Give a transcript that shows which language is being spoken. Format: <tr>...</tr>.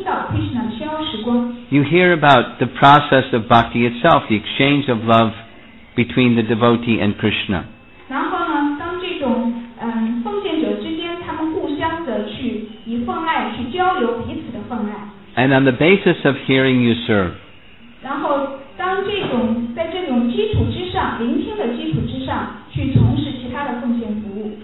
<en>You hear about the process of bhakti itself, the exchange of love between the devotee and Krishna.</en> <zh>然后呢，当这种奉献者之间，他们互相的去以奉爱去交流彼此的奉爱。</zh> <en>And on the basis of hearing you serve.</en> <zh>然后当这种在这种基础之上，聆听的基础之上，去从事其他的奉献服务。</zh>